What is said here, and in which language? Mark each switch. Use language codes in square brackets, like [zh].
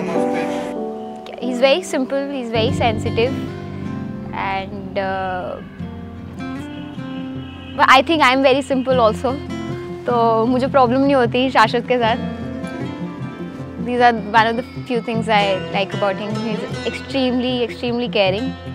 [en] He's very simple, he's very sensitive, and but I think I'm very simple also. [hi] So, मुझे problem नहीं होती शाशक के साथ. [en] These are one of the few things I like about him. He's extremely, extremely caring.